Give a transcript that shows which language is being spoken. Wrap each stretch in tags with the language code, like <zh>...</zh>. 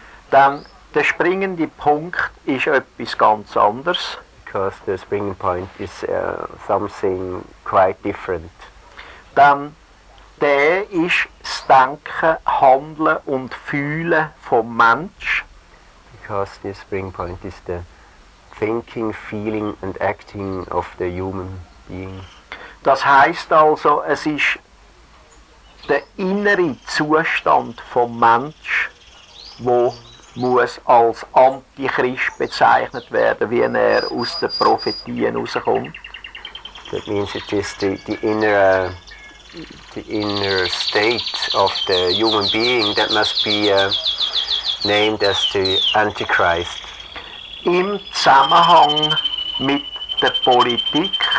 <de>Dann der springende Punkt ist etwas ganz anderes.</de> <en>Because the springing point is something quite different.</en> <de>Dann der ist das Denken, Handeln und Fühlen vom Mensch.</de> <en>Because this spring point is the thinking, feeling and acting of the human being.</en> <de>Das heisst also, es ist der innere Zustand vom Mensch, wo muss als Antichrist bezeichnet werden, wie er aus den Prophetien rauskommt.</de> <en>That means it is the inner state of the human being that must be named as the Antichrist.</en> <de>Im Zusammenhang mit der Politik.</de>